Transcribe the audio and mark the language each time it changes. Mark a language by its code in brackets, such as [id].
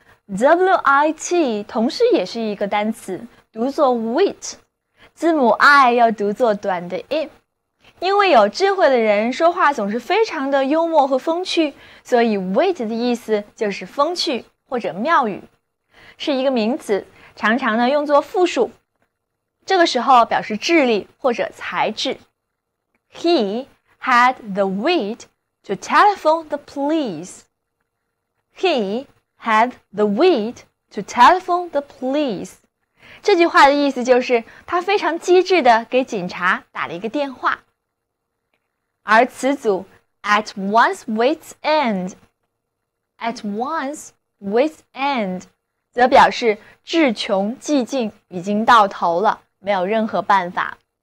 [zh] WIT 同时也是一个单词，读作 wit， 字母 I 要读作短的 i， 因为有智慧的人说话总是非常的幽默和风趣，所以 wit 的意思就是风趣或者妙语，是一个名词，常常呢用作复数，这个时候表示智力或者才智。 [en] He had the wit to telephone the police. He had the wit to telephone the police. [zh] 这句话的意思就是他非常机智地给警察打了一个电话。而词组 [en] at one's wit's end, [zh] at one's wit's end 则表示智穷寂静，已经到头了，没有任何办法。